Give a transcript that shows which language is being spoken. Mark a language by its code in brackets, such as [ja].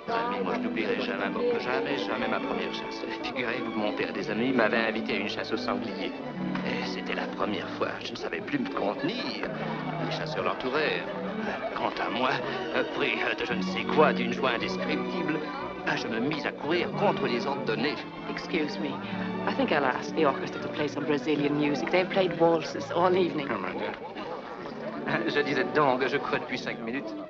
[fr] Mais moi, je n'oublierai jamais, donc jamais, jamais ma première chasse. Figurez-vous, mon père des amis m'avait invité à une chasse au sanglier. Et c'était la première fois. Je ne savais plus me contenir. Les chasseurs l'entouraient. Quant à moi, pris de je ne sais quoi, d'une joie indescriptible, je me mis à courir contre les ordres donnés. [en] Excuse me. I think I'll ask the orchestra to play some Brazilian music. They've played waltzes all evening. Oh, my God. [fr] Je disais donc, je crois depuis cinq minutes.